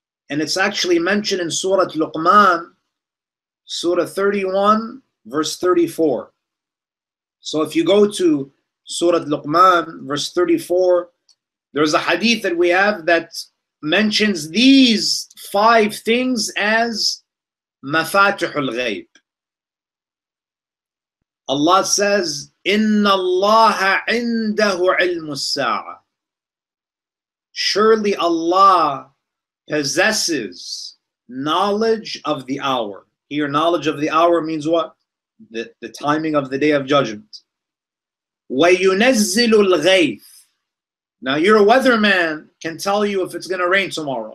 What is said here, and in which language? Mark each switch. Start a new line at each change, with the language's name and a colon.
English: And it's actually mentioned in Surah Luqman, Surah 31, verse 34. So if you go to Surah Luqman, verse 34, there's a hadith that we have that mentions these five things as مفاتح الغيب. Allah says,
Arabic: إِنَّ اللَّهَ عِنْدَهُ عِلْمُ السَّاعَةِ.
English: Surely Allah possesses knowledge of the hour. Here, knowledge of the hour means what? The timing of the day of judgment.
Arabic: وَيُنَزِّلُ الْغَيْثِ.
English: Now your weatherman can tell you if it's going to rain tomorrow.